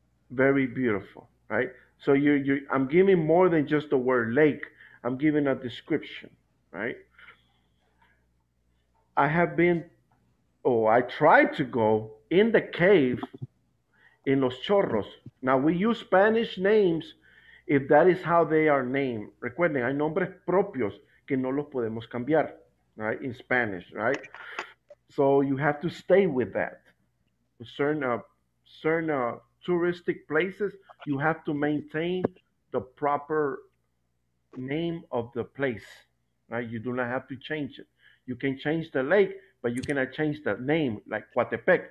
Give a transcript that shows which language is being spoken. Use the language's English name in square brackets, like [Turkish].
[English] Very beautiful, right? So I'm giving more than just the word lake. I'm giving a description, right? I tried to go in the cave in Los Chorros. Now we use Spanish names if that is how they are named. [Spanish] Recuerden, hay nombres propios que no los podemos cambiar, right? [English] In Spanish, right? So you have to stay with that. Certain touristic places, you have to maintain the proper name of the place, right? You do not have to change it. You can change the lake, but you cannot change the name, like Coatepec.